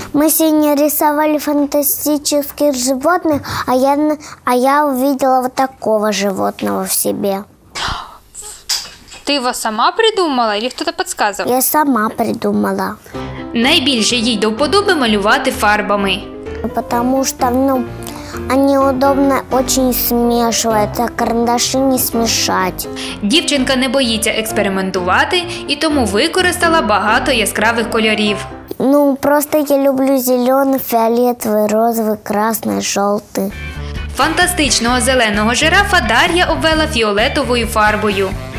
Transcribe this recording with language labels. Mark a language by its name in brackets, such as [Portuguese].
[Ukrainian] Ми сьогодні рисували фантастичних животних, а я побачила такого животного в собі. Ти його сама придумала чи хтось підказував? Я сама придумала. Найбільше їй до вподоби малювати фарбами. Тому що, ну, [Russian] они удобно очень смешиваются, карандаши не смешать. [Ukrainian] Дівчинка не боїться експериментувати і тому використала багато яскравих кольорів. Ну, просто я люблю зелений, фіолетовий, розовий, красний, жовтий. Фантастичного зеленого жирафа Дар'я обвела фіолетовою фарбою.